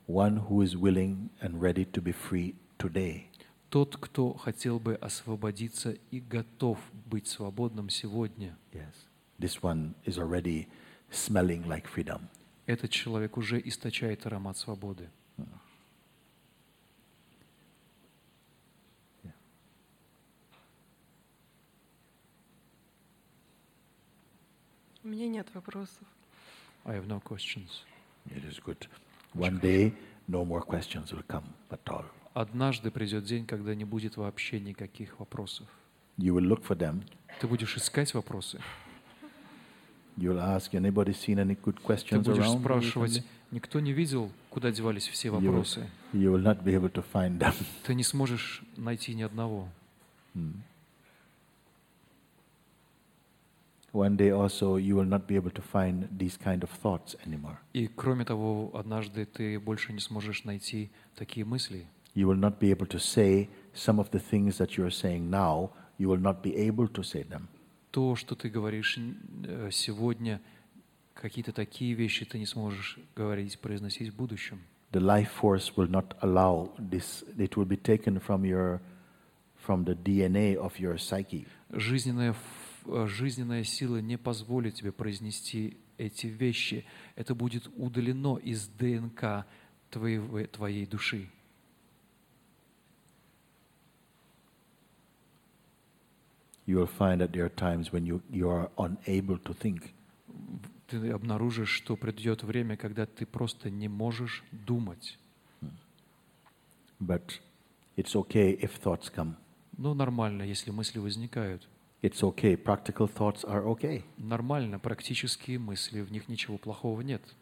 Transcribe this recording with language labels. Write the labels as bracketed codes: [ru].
[en] One who is willing and ready to be free today. [ru] Тот, кто хотел бы освободиться и готов быть свободным сегодня. [en] Yes. This one is already smelling like freedom. [ru] Этот человек уже источает аромат свободы. У меня нет вопросов. [en] I have no questions. It is good. One day, no more questions will come at all. [ru] Однажды придет день, когда не будет вообще никаких вопросов. [en] You will look for them. [ru] Ты будешь искать вопросы. [en] You will ask, anybody seen any good questions around? [ru] Ты будешь спрашивать, никто не видел, куда девались все вопросы. [en] You will not be able to find them. [ru] Ты не сможешь найти ни одного. [en] One day also you will not be able to find these kind of thoughts anymore. [ru] И кроме того, однажды ты больше не сможешь найти такие мысли. [en] you will not be able to say some of the things that you are saying now, you will not be able to say them. [ru] То, что ты говоришь сегодня, какие-то такие вещи ты не сможешь говорить, произносить в будущем. [en] The life force will not allow this. It will be taken from your, from the DNA of your psyche. [ru] Жизненная сила не позволит тебе произнести эти вещи. Это будет удалено из ДНК твоей души. [en] You will find that there are times when you are unable to think. [ru] Ты обнаружишь, что придет время, когда ты просто не можешь думать. [en] But it's okay if thoughts come. [ru] Ну, нормально, если мысли возникают. [en] It's okay. Practical thoughts are okay. [ru] Нормально, практические мысли, в них ничего плохого нет.